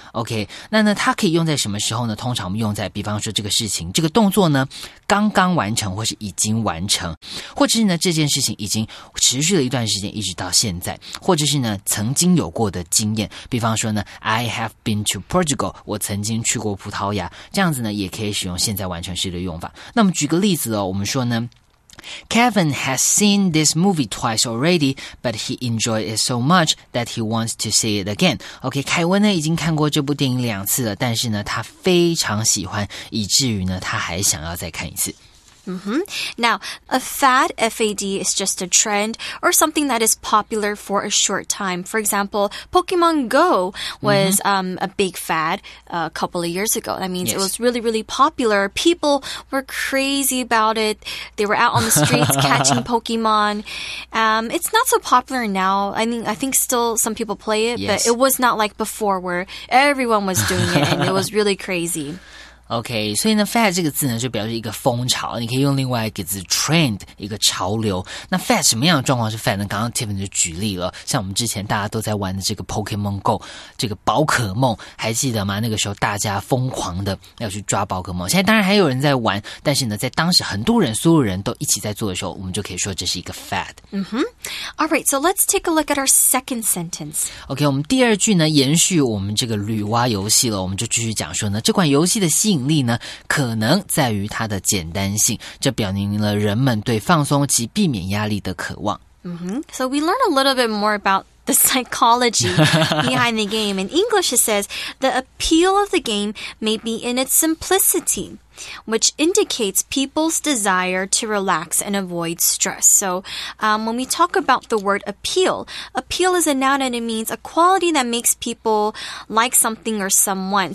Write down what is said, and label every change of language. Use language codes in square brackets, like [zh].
[zh] OK, 那呢它可以用在什么时候呢？通常我们用在比方说这个事情这个动作呢刚刚完成或是已经完成。或者是呢这件事情已经持续了一段时间一直到现在。或者是呢曾经有过的经验。比方说呢 [en] I have been to Portugal, [zh] 我曾经去过葡萄牙。这样子呢也可以使用现在完成式的用法。那么举个例子哦，我们说呢 [en] Kevin has seen this movie twice already, but he enjoyed it so much that he wants to see it again. [zh] Okay, 凯文呢已经看过这部电影两次了，但是呢他非常喜欢，以至于呢他还想要再看一次。 [en] Now, a fad, F-A-D, is just a trend or something that is popular for a short time. For example, Pokemon Go was a big fad a couple of years ago. That means it was really, really popular. People were crazy about it. They were out on the streets catching Pokemon. It's not so popular now. I mean, I think still some people play it, but it was not like before where everyone was doing it and it was really crazy. [zh] OK， 所以呢 fad 这个字呢就表示一个风潮，你可以用另外一个字 trend， 一个潮流。那 fad 什么样的状况是 fad 呢？刚刚 Tiffany 就举例了，像我们之前大家都在玩的这个 Pokemon Go， 这个宝可梦，还记得吗？那个时候大家疯狂的要去抓宝可梦，现在当然还有人在玩，但是呢在当时很多人所有人都一起在做的时候，我们就可以说这是一个 fad。 Mm-hmm. [en] Alright, so let's take a look at our second sentence. [zh] OK， 我们第二句呢延续我们这个旅蛙游戏了，我们就继续讲说呢，这款游戏的吸引力呢可能在于它的简单性，这表明了人们对放松及避免压力的渴望。 Mm-hmm. [en] So we learned a little bit more about the psychology behind the game. In English it says, the appeal of the game may be in its simplicity, which indicates people's desire to relax and avoid stress. So, when we talk about the word appeal, appeal is a noun and it means a quality that makes people like something or someone.